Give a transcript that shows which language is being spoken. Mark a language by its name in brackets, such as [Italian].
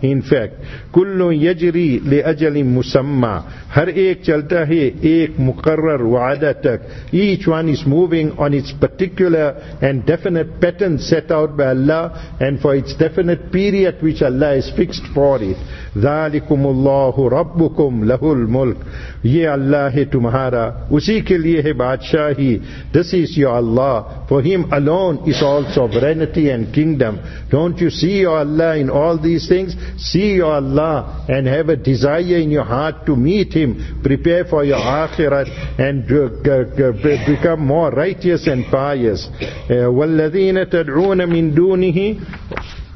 [Arabic] In fact, kullu yajri li ajali musamma. [Urdu] Har ek chalta hai ek muqarrar wa'ada tak. [English] Each one is moving on its particular and definite pattern set out by Allah, and for its definite period which Allah has fixed for it. [Arabic] ذَلِكُمُ اللَّهُ رَبُّكُمْ لَهُ الْمُلْكِ. [Urdu] یہ اللہ ہے تمہارا, اسی کے لئے ہے بادشاہی. [English] This is your Allah. For Him alone is all sovereignty and kingdom. Don't you see your Allah in all these things? See your Allah and have a desire in your heart to meet Him. Prepare for your akhirat and become more righteous and pious. [Arabic] وَالَّذِينَ تَدْعُونَ مِن دُونِهِ.